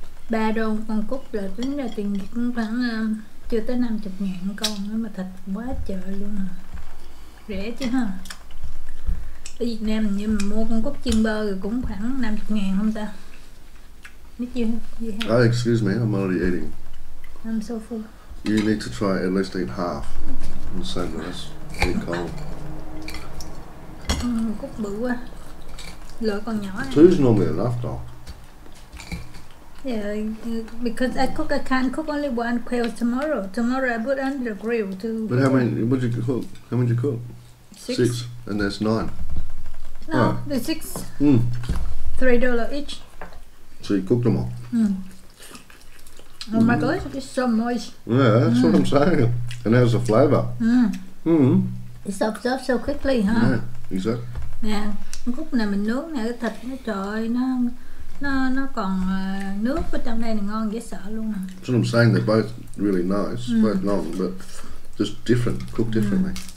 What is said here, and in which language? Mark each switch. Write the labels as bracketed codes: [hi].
[vi] Ba đô con cúc là tính ra tiền Việt cũng khoảng chưa tới 50 ngàn con nữa mà thịt quá trời luôn à. Rẻ chứ ha. Ở Việt Nam mình như mà mua con cúc chiên bơ thì cũng khoảng 50 ngàn không ta? Biết chưa? [en] Oh, excuse me, I'm already eating. I'm so full. You need to try at least eat half. I'm so nervous. Eat cold. [vi] Cúc bự quá. Lửa còn nhỏ. [en] Two is normally enough though. Yeah, because I can't cook only one quail tomorrow. Tomorrow I put under the grill too. But how many would you cook? How many did you cook? Six. And there's nine. No, right. There's six. Mm. $3 each. So you cooked them all? Oh my gosh, it's so moist. Yeah, that's what I'm saying. And there's the flavour. It soaks up so quickly, huh? Yeah. Exactly. [vi] Yeah, cúc này mình nướng nè, cái thịt nó trời nó còn nước ở trong đây này ngon dễ sợ luôn. [en] So I'm saying they're both really nice, both long, but just different, cooked differently.